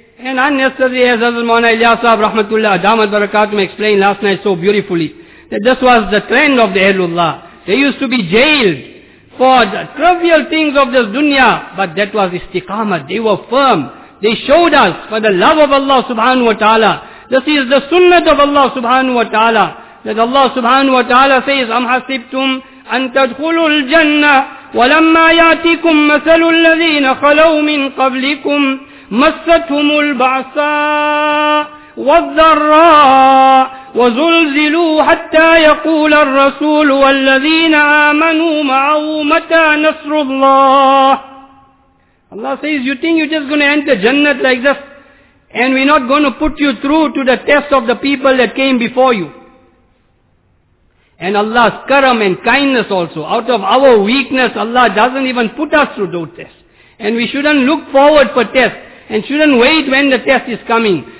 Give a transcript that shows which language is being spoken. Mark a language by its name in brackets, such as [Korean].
[English] And unnecessary, as Hazrat Mawlana Ilyas Sahab rahmatullah, Adamat Barakatum explained last night so beautifully, that this was the trend of the Ahlullah. They used to be jailed for the trivial things of this dunya, but that was istiqamah. They were firm. They showed us for the love of Allah subhanahu wa ta'ala. This is the sunnah of Allah subhanahu wa ta'ala. That Allah subhanahu wa ta'ala says, [Arabic] أَمْ حَسِبْتُمْ أَن تَدْخُلُوا الْجَنَّةِ وَلَمَّا يَعْتِكُمْ مَثَلُ الَّذِينَ خَلَوْا مِنْ قَبْلِكُمْ مَسَّتْهُمُ الْبَعْسَاءِ وَالذَّرَّاءِ وَزُلْزِلُوا حَتَّى يَقُولَ الرَّسُولُ وَالَّذِينَ آمَنُوا مَعَهُ مَتَى نَصْرُ اللَّهِ. [English] Allah says, you think you're just going to enter Jannah like this? And we're not going to put you through to the test of the people that came before you. And Allah's karam and kindness also, out of our weakness, Allah doesn't even put us through those tests. And we shouldn't look forward for tests, and shouldn't wait when the test is coming.